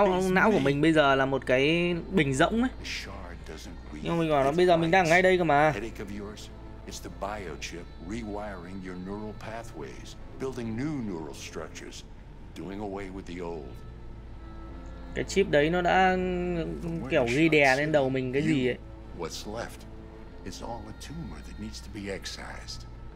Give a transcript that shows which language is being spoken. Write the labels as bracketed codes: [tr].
[vi] Não của mình bây giờ là một cái bình rỗng ấy. Nhưng mà mình gọi nó bây giờ mình đang ở ngay đây cơ mà. [en] It's the biochip rewiring your neural pathways, building new neural structures, doing away with the old. [vi] Cái chip đấy nó đã kiểu ghi đè lên đầu mình cái gì ấy. [en] What's left? It's all a tumor that needs to be excised.